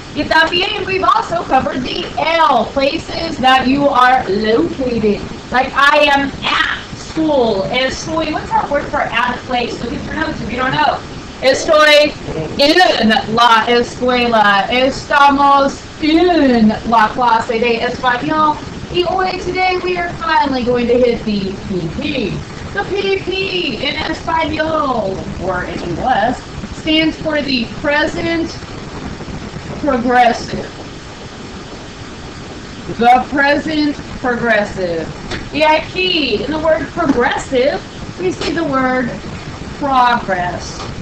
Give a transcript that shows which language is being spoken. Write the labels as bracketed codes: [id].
[es] Y también, [en] we've also covered the L, places that you are located. Like, I am at school. [es] Estoy, [en] what's that word for at a place? Look at your notes if you don't know. [es] Estoy en la escuela. Estamos en la clase de español. Y hoy, [en] today, we are finally going to hit the PP. The PP in Espanol, or in English, stands for the present progressive. The present progressive. [es] Y aquí, [en] in the word progressive, we see the word progress.